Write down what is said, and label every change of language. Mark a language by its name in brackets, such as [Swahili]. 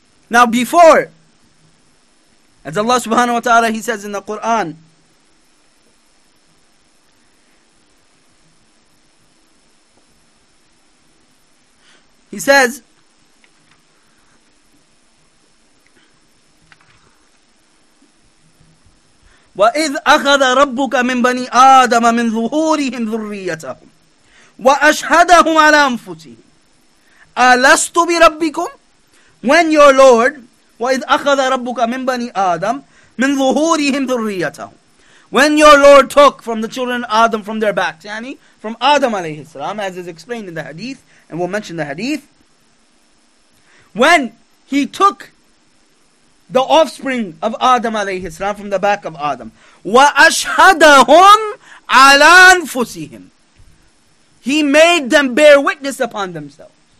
[English] Now before, as Allah subhanahu wa ta'ala, He says in the Qur'an, He says, [Arabic] وَإِذْ أَخَذَ رَبُّكَ مِنْ بَنِي آدَمَ مِنْ ظُهُورِهِمْ ذُرِّيَّتَهُمْ وَأَشْهَدَهُمْ عَلَىٰ أَنفُسِهِمْ أَلَسْتُ بِرَبِّكُمْ. [English] When your Lord, [Arabic] وَإِذْ أَخَذَ رَبُّكَ مِنْ بَنِي آدَمَ مِنْ ظُهُورِهِمْ ذُرِّيَّتَهُمْ. [English] When your Lord took from the children of Adam from their backs, yani from Adam alayhi salam, as is explained in the hadith, and we'll mention the hadith. When He took the offspring of Adam alayhi salam from the back of Adam, [Arabic] وَأَشْهَدَهُمْ عَلَىٰ أَنفُسِهِمْ, [English] He made them bear witness upon themselves.